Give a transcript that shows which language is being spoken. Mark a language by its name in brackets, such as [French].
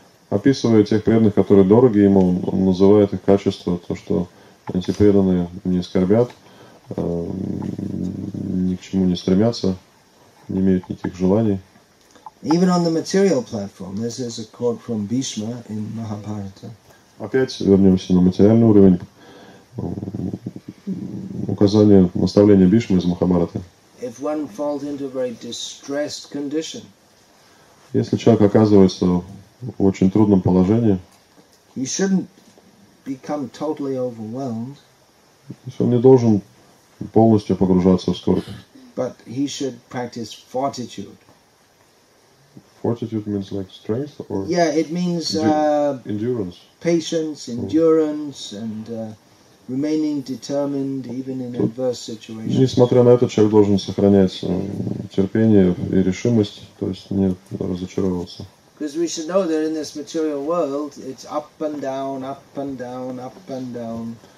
[Russian] Описывая тех преданных, которые дороги ему, он называет их качество, то, что эти преданные не скорбят, ни к чему не стремятся, не имеют никаких желаний. [English] Even on the material platform, this is a quote from Bhishma in Mahabharata. [Russian] Опять вернемся на материальный уровень. Указание, наставление Бишмы из Махабхараты. [English] If one falls into a very distressed condition, [Russian] если человек оказывается в очень трудном положении, [English] he shouldn't become totally overwhelmed, [Russian] он не должен полностью погружаться в скорбь. [English] But he should practice fortitude. Fortitude means like strength or yeah, it means endurance. Patience, endurance, and remaining determined even in adverse situations. [Russian] Несмотря на это, человек должен сохранять терпение и решимость, то есть не разочаровываться. [English] Because we should know that in this material world, it's up and down, up and down, up and down.